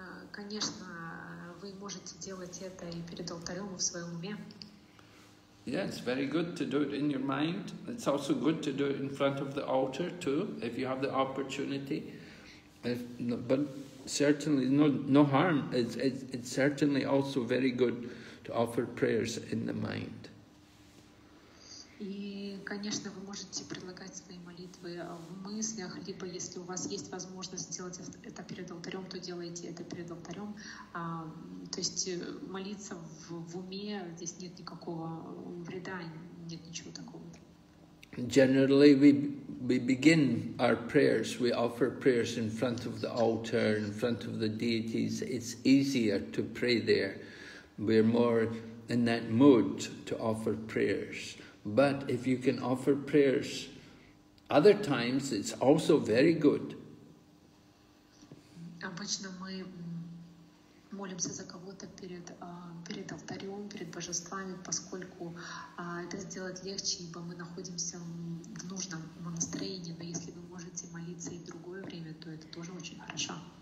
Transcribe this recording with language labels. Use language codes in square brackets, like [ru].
[ru] Конечно, вы можете делать это и перед алтарем, и в своем уме. [en] Yes, very good to do it in your mind. It's also good to do it in front of the altar too, if you have the opportunity. But certainly, no harm. It's certainly also very good to offer prayers in the mind. [ru] И, конечно, вы можете предлагать свои молитвы в мыслях, либо если у вас есть возможность сделать это перед алтарем, то делайте это перед алтарем. То есть молиться в уме, здесь нет никакого вреда, нет ничего такого. [en] Generally, we begin our prayers, we offer prayers in front of the altar, in front of the deities. It's easier to pray there. We're more in that mood to offer prayers. But if you can offer prayers other times, it's also very good. [ru] Обычно мы молимся за кого-то перед алтарем, перед божествами, поскольку это сделать легче, ибо мы находимся в нужном настроении. Но если вы можете молиться и в другое время, то это тоже очень хорошо.